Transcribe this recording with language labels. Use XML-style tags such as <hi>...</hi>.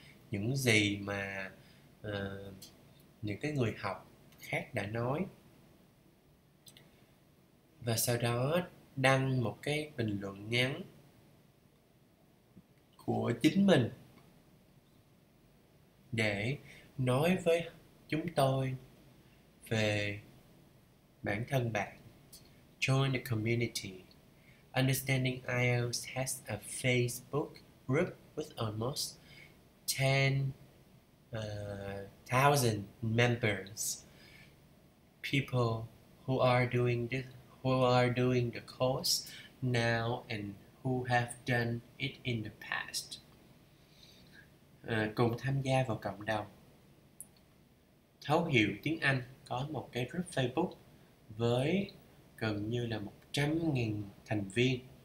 <vi>những gì mà những cái người học khác đã nói, và sau đó đăng một cái bình luận ngắn của chính mình để nói với chúng tôi về bản thân bạn.</vi> <en>Join the community. Understanding IELTS has a Facebook group with almost 10,000 members. People who are doing this, who are doing the course now and who have done it in the past.</en> <vi>Cùng tham gia vào cộng đồng thấu hiểu tiếng Anh, có một cái group Facebook với gần như là 100.000 thành viên.</vi>